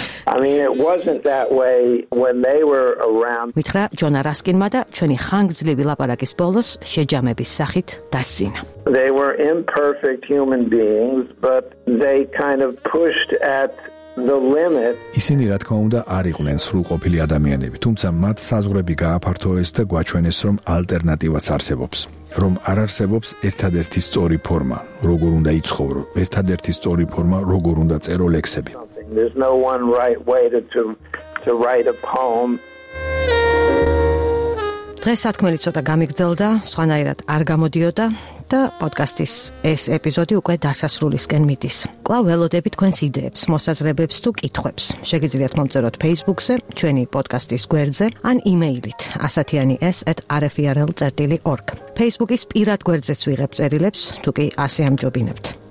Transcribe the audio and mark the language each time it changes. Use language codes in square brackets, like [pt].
[en] I mean it wasn't that way when they were around. [ka] მითხრა ჯონა რასკინმა და ჩვენი ხანგრძლივი ლაპარაკის ბოლოს შეჯამების სახით დასინა. [en] They were imperfect human beings, but they kind of pushed at the limit. [ka] ისინი რა თქმა უნდა არიყვნენ სრულყოფილი ადამიანები, თუმცა მათ საზღვრები გააფართოვეს და გვაჩვენეს, რომ ალტერნატივაც არსებობს. რომ არ არსებობს ერთადერთი სწორი ფორმა, როგორ უნდა იცხოვრო, ერთადერთი სწორი ფორმა, როგორ უნდა წერო ლექსები. [en] There's no one right way to write a poem. [ka] დღეს სათქმელი ცოტა გამიგრძელდა, სხვანაირად არ გამოდიოდა და პოდკასტის ეს ეპიზოდი უკვე დასასრულისკენ მიდის. კვლავ ველოდებით თქვენს იდეებს, მოსაზრებებს თუ კითხვებს. შეგიძლიათ მომწეროთ Facebook-ზე, ჩვენი პოდკასტის გვერდზე ან იმეილით asatiani@rfrl.org. Facebook-ის პირად გვერდზეც ვიღებ წერილებს, თუ კი ასე ამჯობინებთ.